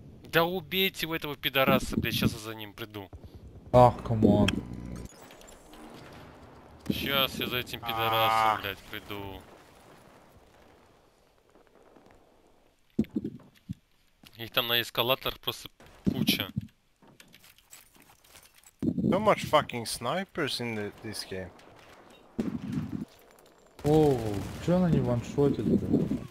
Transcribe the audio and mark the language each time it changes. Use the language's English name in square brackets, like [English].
[Russian] Да убейте вы этого пидораса, бля, сейчас я за ним приду. Ах, камон. Сейчас я за этим пидорасом, блядь, приду. Их там на эскалатор просто куча. [English] So much fucking snipers in the, this game. [Russian] Оу, чё она не ваншотит, блядь?